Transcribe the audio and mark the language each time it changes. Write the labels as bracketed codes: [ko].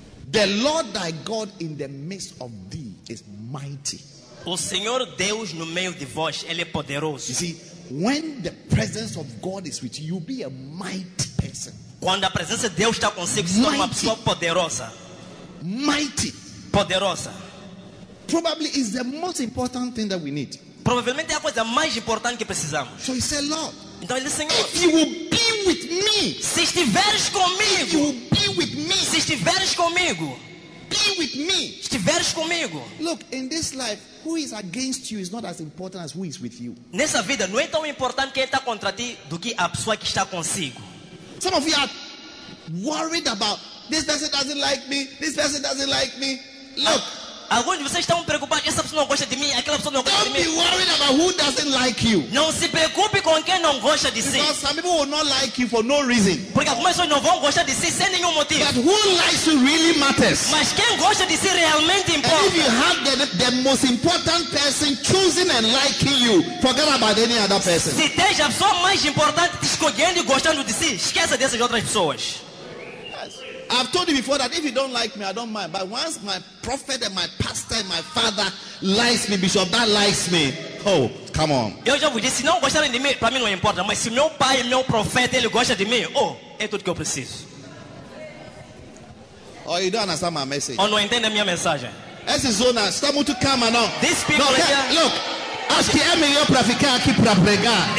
[en] The Lord thy God in the midst of thee is mighty. [pt] O Senhor Deus no meio de vós, ele é poderoso. [en] You see, when the presence of God is with you, you'll be a mighty person. [pt] Quando a presença de Deus está consigo, você torna uma pessoa poderosa. [en] Mighty. [pt] Poderosa. [en] Probably is the most important thing that we need. [pt] Provavelmente é a coisa mais importante que precisamos. [en] So he said, Lord. [pt] Então ele disse, Senhor, [en] if you will be with me, [pt] se estiveres comigo, [en] if you will be with me, [pt] se estiveres comigo, [en] be with me, [pt] estiveres comigo. [en] Look, in this life, who is against you is not as important as who is with you. [pt] Nessa vida não é tão importante quem está contra ti do que a pessoa que está consigo. [en] Some of you are worried about this person doesn't like me. This person doesn't like me. Look. [pt] Alguns de vocês estão preocupados. Essa pessoa não gosta de mim. Aquela pessoa não gosta [en] don't [pt] de mim. [en] Don't be worried about who doesn't like you. [pt] Não se preocupe com quem não gosta de si. [en] Because some people will not like you for no reason. [pt] Porque algumas pessoas não vão gostar de si sem nenhum motivo. [en] But who likes you really matters. [pt] Mas quem gosta de si realmente importa. [en] And if you have the most important person choosing and liking you, forget about any other person. [pt] Se tens a pessoa mais importante escolhendo e gostando de si, esqueça dessas outras pessoas. [en] I've told you before that if you don't like me, I don't mind. But once my prophet and my pastor and my father likes me, Bishop, that likes me. hope. Come on. [pt] Eu já vou dizer, se não gostarem de mim, para mim não importa. Mas se meu pai, meu profeta, ele gosta de mim, oh, é tudo que eu preciso. [en] Oh, you don't understand my message. [pt] Ou não entende a minha mensagem. Essa zona, está muito calma, não. [en] These people, no, here, look. [pt] Acho que é melhor para ficar aqui para pregar.